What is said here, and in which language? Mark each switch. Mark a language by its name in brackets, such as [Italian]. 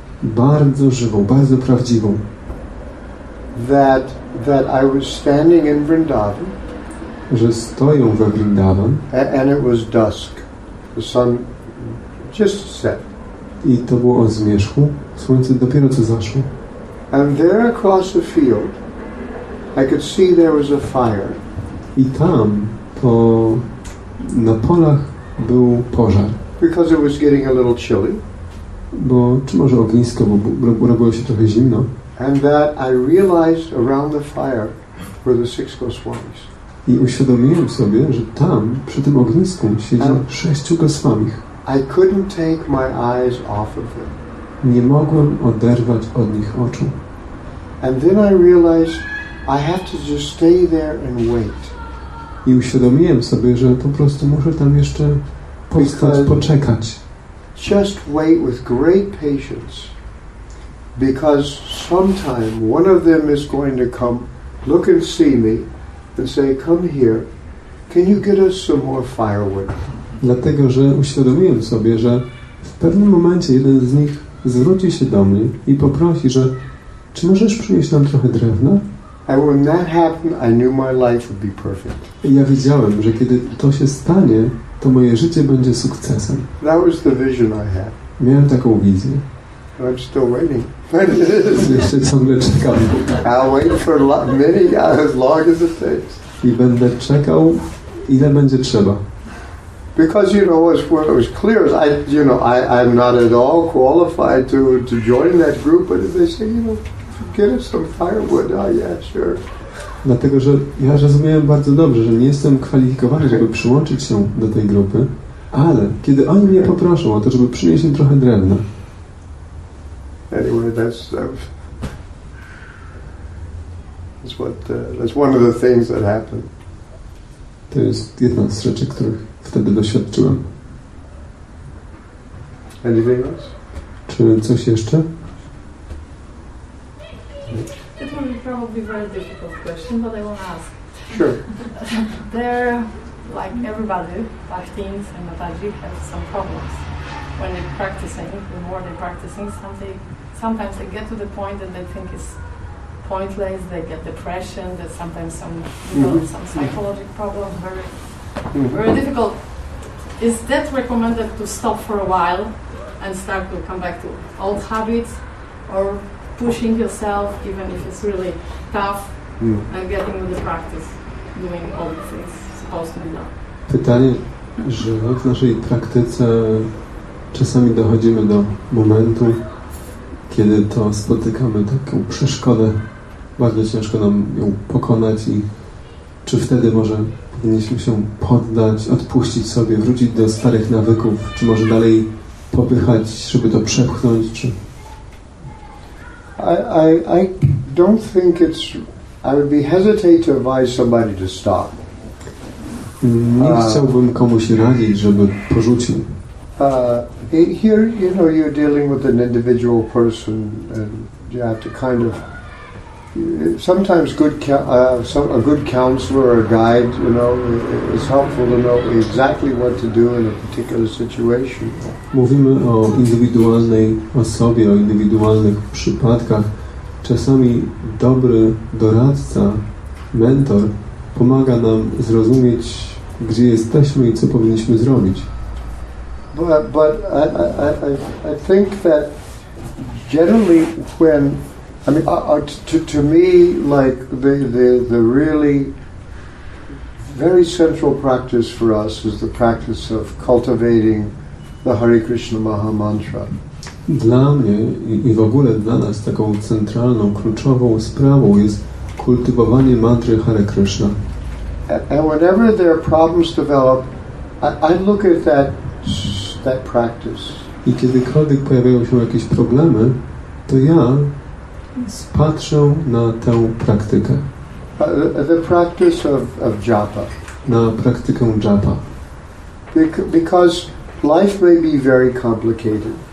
[Polish] Bardzo żywą, bardzo prawdziwą. [English] That I was standing in Vrindavan. [Polish] Że stoję we Vrindavan. [English] And it was dusk. The sun just set. [Polish] I to było o zmierzchu. Słońce dopiero co zaszło. [English] And there across the field, I could see there was a fire. [Polish] I tam, na polach był pożar. [English] Because it was getting a little chilly. [Polish] Bo czy może ognisko, bo robiło się trochę zimno. [English] And that I realized around the fire were the six Goswamis. [Polish] I uświadomiłem sobie, że tam przy tym ognisku siedzi sześciu Goswamich. [English] I couldn't take my eyes off of them. [Polish] Nie mogłem oderwać od nich oczu. [English] And then I realized I have to just stay there and wait. [Polish] I uświadomiłem sobie, że po prostu muszę tam jeszcze poczekać. [English] Just wait with great patience, because sometime one of them is going to come, look and see me, and say, "Come here, can you get us some more firewood?" [Polish] Dlatego, że uświadomiłem sobie, że w pewnym momencie jeden z nich zwróci się do mnie i poprosi, że czy możesz przynieść nam trochę drewna? [English] And when that happened, I knew my life would be perfect. [Polish] I ja wiedziałem, że kiedy to się stanie, to moje życie będzie sukcesem. [English] That was the vision I had. [Polish] Miałem taką wizję. [English] I'm still waiting. [Polish] Jeszcze ciągle czekam. [English] I'll wait for many as long as it takes. [Polish] I będę czekał, ile będzie trzeba. [English] Because you know what was clear is I'm not at all qualified to join that group, but they say, you know, get us some firewood. Oh yeah, sure. [Polish] Dlatego, że ja rozumiałem bardzo dobrze, że nie jestem kwalifikowany, żeby przyłączyć się do tej grupy, ale kiedy oni mnie poproszą o to, żeby przynieść im trochę drewna. [English] Anyway, that's one of the things that happened. [Polish] To jest jedna z rzeczy, których wtedy doświadczyłem. [English] Anything else? [Polish] Czy coś jeszcze? [English] Just want to be proud of be a very difficult question, but I want to ask. Sure. There, like everybody, Bhaktins and Mataji have some problems when they're practicing. The more they're practicing, sometimes they get to the point that they think it's pointless. They get depression. That sometimes some some psychological problems. Very difficult. Is that recommended to stop for a while and start to come back to old habits, or pushing yourself even if it's really tough and getting into the practice, doing all the things supposed to be done? [Polish] Pytanie, że w naszej praktyce czasami dochodzimy do momentu, kiedy to spotykamy taką przeszkodę, bardzo ciężko nam ją pokonać i czy wtedy może powinniśmy się poddać, odpuścić sobie, wrócić do starych nawyków, czy może dalej popychać, żeby to przepchnąć, czy... [English] I don't think it's... I would be hesitant to advise somebody to stop. [Polish] Nie chciałbym komuś radzić, żeby porzucił. [English] Here, you know, you're dealing with an individual person, and you have to kind of... Sometimes a good counselor or a guide, you know, is helpful to know exactly what to do in a particular situation. [Polish] Mówimy o indywidualnej osobie, o indywidualnych przypadkach. Czasami dobry doradca, mentor, pomaga nam zrozumieć, gdzie jesteśmy i co powinniśmy zrobić. [English] But I think that generally when I mean, to me, like the really very central practice for us is the practice of cultivating the Hare Krishna Maha Mantra. [Polish] Dla mnie i w ogóle dla nas taką centralną, kluczową sprawą jest kultywowanie mantry Hare Krishna. [English] And whenever there are problems develop, I look at that practice. [Polish] I kiedykolwiek pojawiają się jakieś problemy, to ja spatrzę na tę praktykę. [English] The practice of japa. [Polish] Na praktykę japa. [English] Because life may be very complicated.